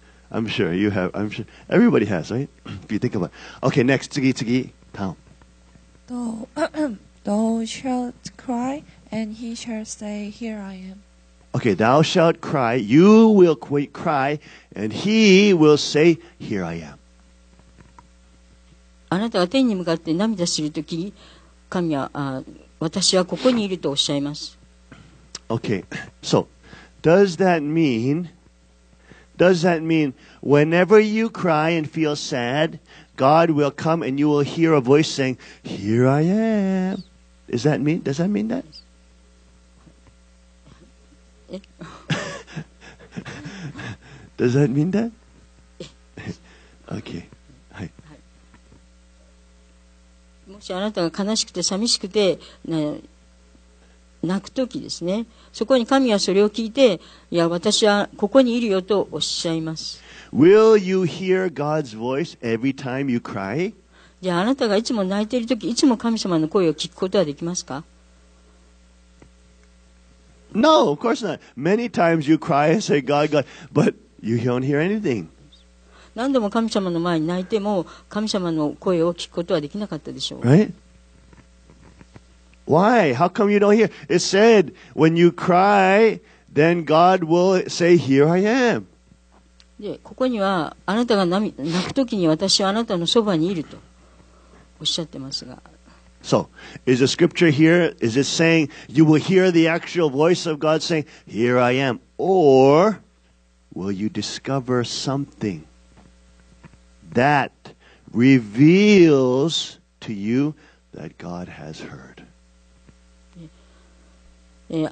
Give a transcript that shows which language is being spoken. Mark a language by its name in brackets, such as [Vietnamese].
[English] I'm sure you have. I'm sure everybody has, right? If you think about. Okay, next, [Japanese] 次次 [English] Tom. Thou shalt cry, and he shall say, "Here I am." Okay, thou shalt cry. You will cry, and he will say, "Here I am." [Japanese] あなたは天に向かって涙するとき、神は、私はここにいるとおっしゃいます。 [English] Okay, so does that mean whenever you cry and feel sad, God will come and you will hear a voice saying, "Here I am." Does that mean that? Does that mean that? Okay. [Japanese] もしあなたが悲しくて寂しくて泣くときですね、そこに神はそれを聞いて、いや私はここにいるよとおっしゃいます。 [English] Will you hear God's voice every time you cry? [Japanese] じゃあ、 あなたがいつも泣いているとき、いつも神様の声を聞くことはできますか？ [English] No, of course not. Many times you cry and say, "God, God," but you don't hear anything. [Japanese] 何度も神様の前に泣いても神様の声を聞くことはできなかったでしょう。 [English] Right? Why? How come you don't hear? It said, when you cry, then God will say, "Here I am." [Japanese] で、ここにはあなたが泣くときに私はあなたのそばにいるとおっしゃってますが。 [English] So, is the scripture here, is it saying you will hear the actual voice of God saying, "Here I am," or will you discover something? That reveals to you that God has heard.